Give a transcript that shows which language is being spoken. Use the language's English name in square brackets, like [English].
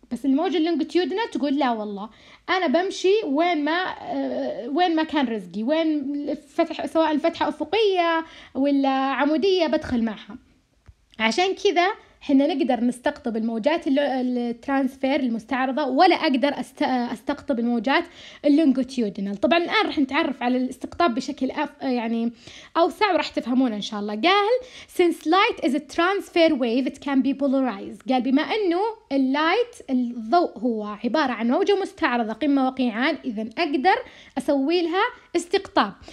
[Arabic] بس الموجة اللونجتيودنا تقول لا والله أنا بمشي وين ما كان رزقي، وين فتح سواء الفتحة أفقية ولا عمودية بدخل معها. عشان كذا حنا نقدر نستقطب الموجات الترانسفير المستعرضة، ولا أقدر أستقطب الموجات اللونجتيودنال. طبعا الآن رح نتعرف على الاستقطاب بشكل يعني أوسع ورح تفهمون إن شاء الله. قال [English] since light is a transfer wave it can be polarized. [Arabic] قال بما أنه اللايت الضوء هو عبارة عن موجة مستعرضة قمة وقيعان، إذا أقدر أسوي لها استقطاب.